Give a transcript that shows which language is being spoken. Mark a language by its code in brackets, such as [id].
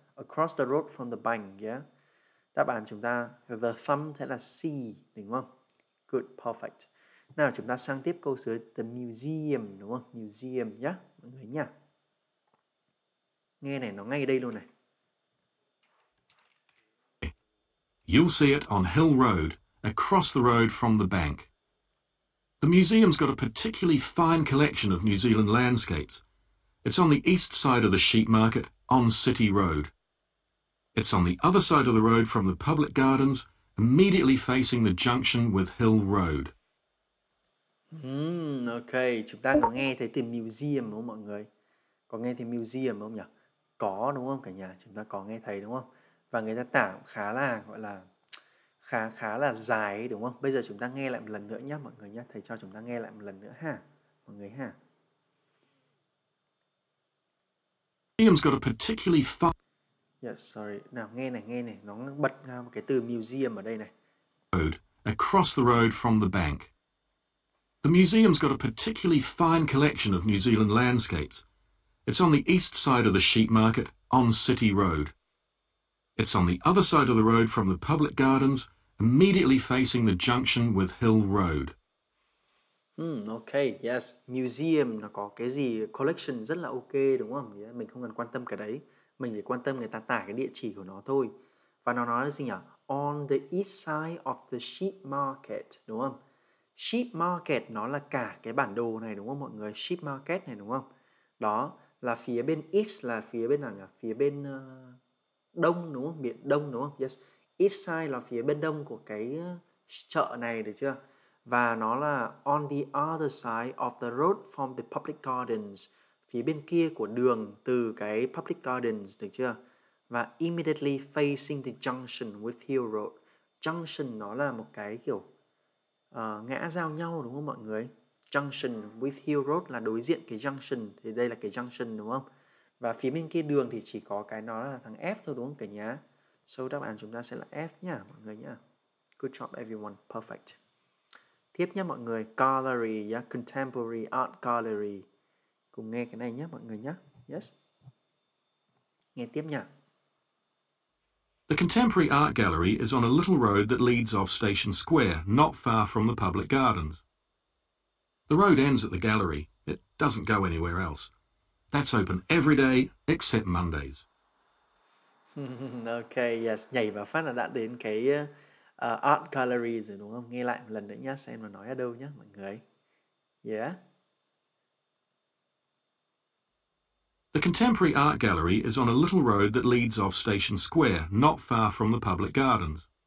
[en] Across the road from the bank. Yeah. [vi] Đáp án chúng ta, [en] the thumb [vi] sẽ là C, đúng không? [en] Good, perfect. [vi] Nào, chúng ta sang tiếp câu dưới, the museum, đúng không? Museum, yeah, mọi người nhá. Nghe này, nó ngay đây luôn này. [en] You'll see it on Hill Road, across the road from the bank. The museum's got a particularly fine collection of New Zealand landscapes. It's on the east side of the sheep market on City Road. It's on the other side of the road from the public gardens, immediately facing the junction with Hill Road. [vi] Okay, chúng ta có nghe thấy từ museum không mọi người? Có nghe thấy museum không nhỉ? Có đúng không cả nhà? Chúng ta có nghe thấy đúng không? Và người ta tả khá là gọi là khá là dài đúng không? Bây giờ chúng ta nghe lại một lần nữa nhé mọi người nhé. Thầy cho chúng ta nghe lại một lần nữa ha. Mọi người ha. [en] Museum's got a particularly fine. Yes, sorry. [vi] Nào nghe này, nghe này. Nó bật ra một cái từ museum ở đây này. [en] Road, across the road from the bank. The museum's got a particularly fine collection of New Zealand landscapes. It's on the east side of the sheep market on City Road. It's on the other side of the road from the public gardens, immediately facing the junction with Hill Road. [vi] Okay, yes. Museum, nó có cái gì? Collection rất là ok, đúng không? Yeah, mình không cần quan tâm cái đấy. Mình chỉ quan tâm người ta tả cái địa chỉ của nó thôi. Và nó nói là gì nhỉ? [en] On the east side of the sheep market, [vi] đúng không? Sheep market, nó là cả cái bản đồ này, đúng không mọi người? Sheep market này, đúng không? Đó, là phía bên east, là phía bên nào nhỉ? Phía bên... đông đúng không? Biển đông đúng không? Yes. [en] East side [vi] là phía bên đông của cái chợ này được chưa? Và nó là [en] on the other side of the road from the public gardens. [vi] Phía bên kia của đường từ cái public gardens được chưa? [en] Và immediately facing the junction with Hill Road. [vi] Junction nó là một cái kiểu ngã giao nhau đúng không mọi người? [en] Junction with Hill Road [vi] là đối diện cái junction. Thì đây là cái junction đúng không? Và phía bên kia đường thì chỉ có cái nó là thằng F thôi đúng không cả nhà? So đáp án chúng ta sẽ là F nha mọi người nha. [en] Good job everyone, perfect. [vi] Tiếp nha mọi người, [en] gallery, yeah? Contemporary art gallery. [vi] Cùng nghe cái này nhé mọi người nhé. Yes. Nghe tiếp nha. [en] The contemporary art gallery is on a little road that leads off Station Square, not far from the public gardens. The road ends at the gallery, it doesn't go anywhere else. That's open every day except Mondays. Okay, yes. [vi] Nhảy vào phát là đã đến cái art gallery rồi đúng không? Nghe lại một lần nữa nhá, xem nó nói ở đâu nhá mọi người. [en] Yeah. The contemporary art gallery is on a little road that leads off Station Square, not far from the public gardens.